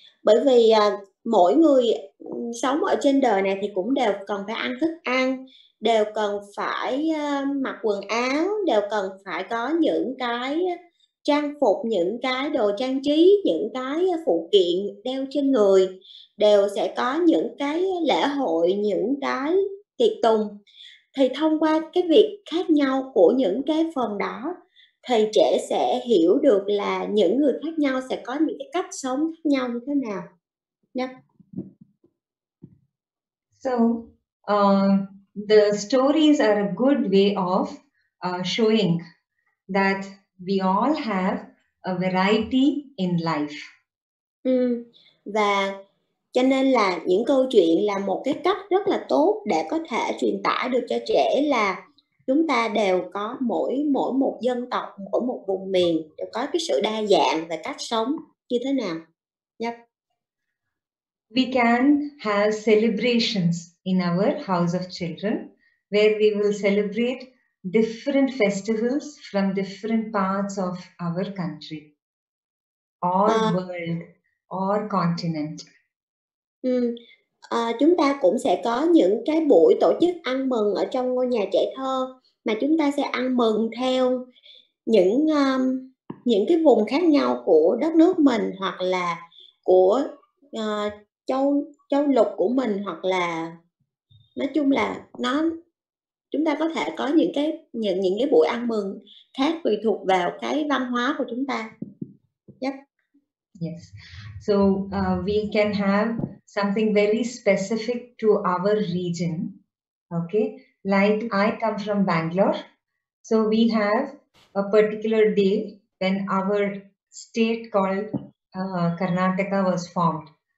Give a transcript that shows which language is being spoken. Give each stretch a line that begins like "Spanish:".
Vietnamese: Bởi vì mỗi người sống ở trên đời này thì cũng đều cần phải ăn thức ăn, đều cần phải mặc quần áo, đều cần phải có những cái trang phục, những cái đồ trang trí, những cái phụ kiện đeo trên người, đều sẽ có những cái lễ hội, những cái tiệc tùng. Thì thông qua cái việc khác nhau của những cái phần đó, thì trẻ sẽ hiểu được là những người khác nhau sẽ có những cái cách sống khác nhau như thế nào.
English: So, the stories are a good way of showing that we all have a variety in life.
Vietnamese: Và cho nên là những câu chuyện là một cái cách rất là tốt để có thể truyền tải được cho trẻ là chúng ta đều có mỗi một dân tộc, mỗi một vùng miền đều có cái sự đa dạng về cách sống như thế nào.
English: We can have celebrations in our house of children where we will celebrate different festivals from different parts of our country or world or continent.
Vietnamese: Chúng ta cũng sẽ có những cái buổi tổ chức ăn mừng ở trong ngôi nhà trẻ thơ mà chúng ta sẽ ăn mừng theo những cái vùng khác nhau của đất nước mình hoặc là của châu lục của mình hoặc là nói chung là nó chúng ta có thể có những cái buổi ăn mừng khác tùy thuộc vào cái văn hóa của chúng ta.
English: Yes. So we can have something very specific to our region. Okay? Like I come from Bangalore. So we have a particular day when our state called Karnataka was formed.